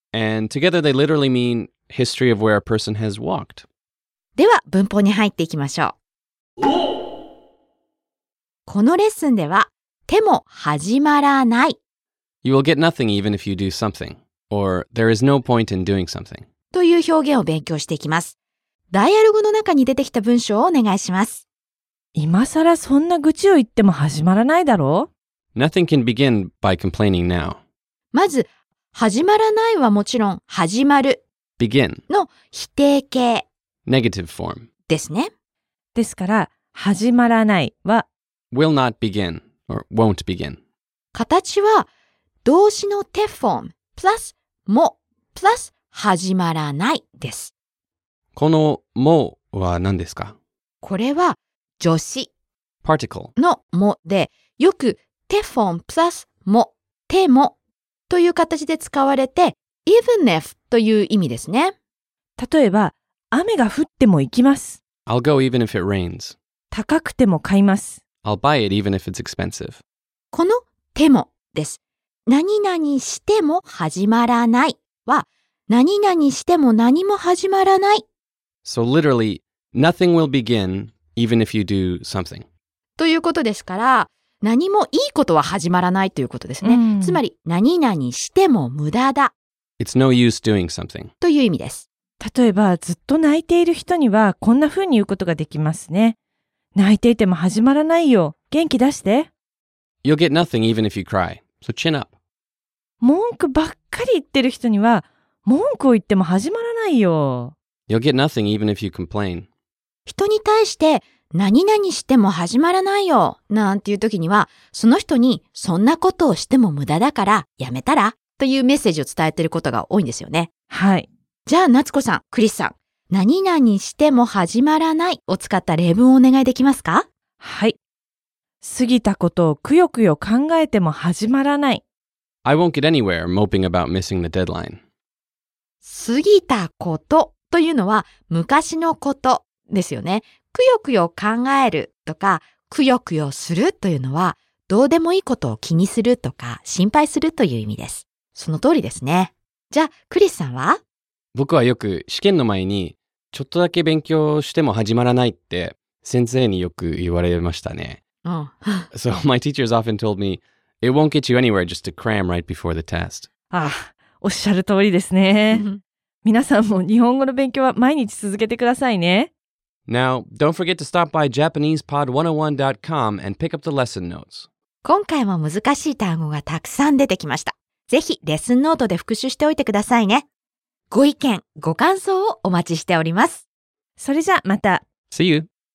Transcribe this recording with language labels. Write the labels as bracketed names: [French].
[English] And together they literally mean history of where a person has walked. [Japanese] では文法に入っていきましょう。このレッスンでは手も始まらない。 [English] You will get nothing even if you do something, or there is no point in doing something. [Japanese] という表現を勉強していきます。ダイアログの中に出てきた文章をお願いします。今さらそんな愚痴を言っても始まらないだろう。 [English] Nothing can begin by complaining now. [Japanese] まず、始まらないはもちろん始まる。 [English] begin [Japanese] の否定形。 [English] negative form. [Japanese] ですね。ですから、始まらないは [English] will not begin or won't begin. [Japanese] 形は動詞のてフォーム、プラスも、プラス始まらないです。このもは何ですか？これは助詞。 [English] particle [Japanese] のもで、よくてフォーム、プラスも、てもという形で使われて、 [English] even if [Japanese] という意味ですね。例えば、雨が降っても行きます。 [English] I'll go even if it rains. [Japanese] 高くても買います。 [English] I'll buy it even if it's expensive. [Japanese] このてもです。何々しても始まらないは、何々しても何も始まらない。 [English] So literally, nothing will begin even if you do something. [Japanese] ということですから、何もいいことは始まらないということですね。うん、つまり、何々しても無駄だ。 [English] It's no use doing something. [Japanese] という意味です。例えば、ずっと泣いている人にはこんな風に言うことができますね。泣いていても始まらないよ。元気出して。 [English] You'll get nothing even if you cry. So chin up. [Japanese] 文句ばっかり言ってる人には文句を言っても始まらないよ。 [English] You'll get nothing even if you complain. [Japanese] 人に対して何々しても始まらないよなんていう時にはその人にそんなことをしても無駄だからやめたらというメッセージを伝えてることが多いんですよね。はい。じゃあ夏子さん、クリスさん、何々しても始まらないを使った例文をお願いできますか？はい。過ぎたことをくよくよ考えても始まらない。 [English] I won't get anywhere moping about missing the deadline. [Japanese] 過ぎたことというのは昔のことですよね。くよくよ考えるとかくよくよするというのはどうでもいいことを気にするとか心配するという意味です。その通りですね。じゃあクリスさんは？僕はよく試験の前にちょっとだけ勉強しても始まらないって先生によく言われましたね。 [English] So my teachers often told me, it won't get you anywhere just to cram right before the test. [Japanese] ああ、おっしゃる通りですね。皆さんも日本語の勉強は毎日続けてくださいね。 [English] Now, don't forget to stop by JapanesePod101.com and pick up the lesson notes. [Japanese] 今回も難しい単語がたくさん出てきました。ぜひレッスンノートで復習しておいてくださいね。ご意見、ご感想をお待ちしております。それじゃまた。 [English] See you.